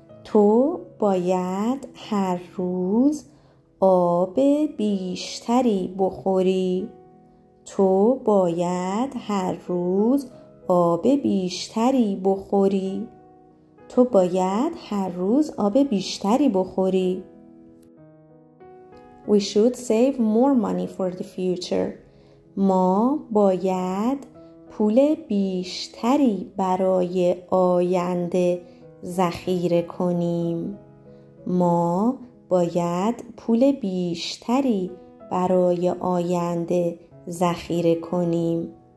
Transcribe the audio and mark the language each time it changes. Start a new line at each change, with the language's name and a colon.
Persian: تو باید هر روز آب بیشتری بخوری. تو باید هر روز آب بیشتری بخوری. تو باید هر روز آب بیشتری بخوری.
English: We should save more money for the future.
Persian: ما باید پول بیشتری برای آینده ذخیره کنیم. ما باید پول بیشتری برای آینده ذخیره کنیم.